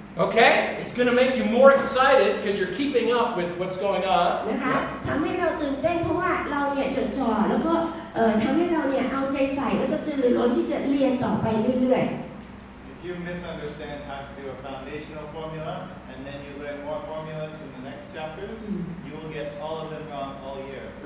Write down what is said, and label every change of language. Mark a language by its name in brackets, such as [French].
[English] Okay, it's going to make you more excited because you're keeping up with what's going on. [Thai] ทำให้เราตื่นเต้นเพราะว่าเราเนี่ยจดจ่อแล้วก็ทำให้เราเนี่ยเอาใจใส่แล้วก็ตื่นรนที่จะเรียนต่อไปเรื่อยๆ [English] You misunderstand how to do a foundational formula, and then you learn more formulas in the next chapters. You will get all of them wrong all year.